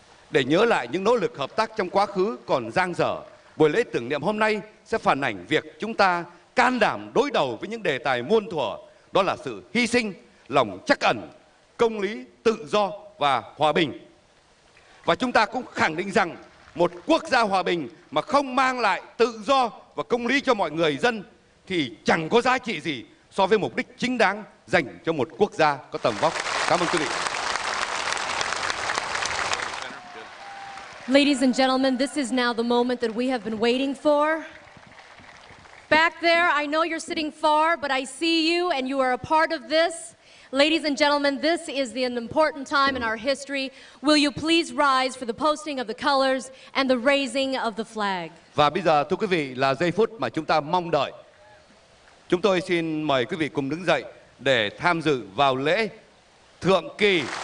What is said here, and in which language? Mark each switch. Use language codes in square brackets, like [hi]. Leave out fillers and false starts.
[vi] Để nhớ lại những nỗ lực hợp tác trong quá khứ còn dang dở, buổi lễ tưởng niệm hôm nay sẽ phản ảnh việc chúng ta can đảm đối đầu với những đề tài muôn thuở, đó là sự hy sinh, lòng trắc ẩn, công lý, tự do và hòa bình. Và chúng ta cũng khẳng định rằng một quốc gia hòa bình mà không mang lại tự do và công lý cho mọi người dân thì chẳng có giá trị gì so với mục đích chính đáng dành cho một quốc gia có tầm vóc. Cảm ơn quý vị. [en] Ladies and gentlemen, this is now the moment that we have been waiting for. Back there, I know you're sitting far, but I see you and you are a part of this. Ladies and gentlemen, this is an important time in our history. Will you please rise for the posting of the colors and the raising of the flag? [vi] Và bây giờ thưa quý vị là giây phút mà chúng ta mong đợi. Chúng tôi xin mời quý vị cùng đứng dậy để tham dự vào lễ thượng kỳ.